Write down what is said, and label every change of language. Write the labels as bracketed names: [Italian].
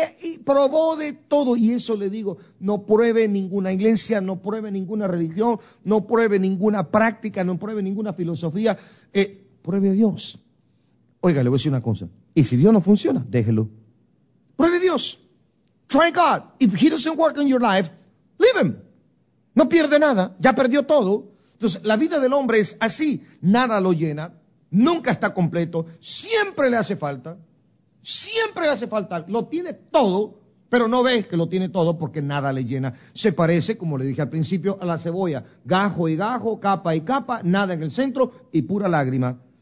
[Spanish] y probó de todo, y eso le digo, no pruebe ninguna iglesia, no pruebe ninguna religión, no pruebe ninguna práctica, no pruebe ninguna filosofía, pruebe a Dios. Oiga, le voy a decir una cosa, y si Dios no funciona, déjelo. Pruebe a Dios. [English] Try God. If he doesn't work in your life, leave him. [Spanish] No pierde nada. Ya perdió todo. Entonces, la vida del hombre es así. Nada lo llena. Nunca está completo. Siempre le hace falta. Siempre le hace falta. Lo tiene todo, pero no ve que lo tiene todo porque nada le llena. Se parece, como le dije al principio, a la cebolla. Gajo y gajo, capa y capa, nada en el centro y pura lágrima.